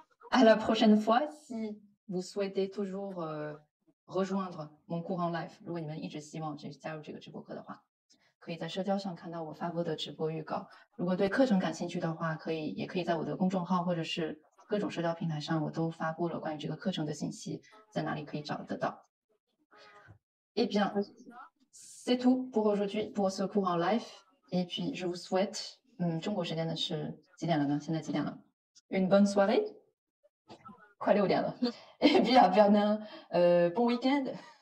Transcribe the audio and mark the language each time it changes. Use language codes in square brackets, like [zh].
[fr] à la prochaine fois si vous souhaitez toujours rejoindre mon courant live， [zh] 如果你们一直希望加入这个直播课的话，可以在社交上看到我发布的直播预告。如果对课程感兴趣的话，也可以在我的公众号或者是各种社交平台上，我都发布了关于这个课程的信息，在哪里可以找得到。 [fr] Eh bien, c'est tout pour aujourd'hui, pour ce cours en live. Et puis, je vous souhaite, [zh] 中国时间的是几点了呢？现在几点了？ [fr] Une bonne soirée. [zh] 快六点了。 [fr] Et puis, à bientôt, bon week-end.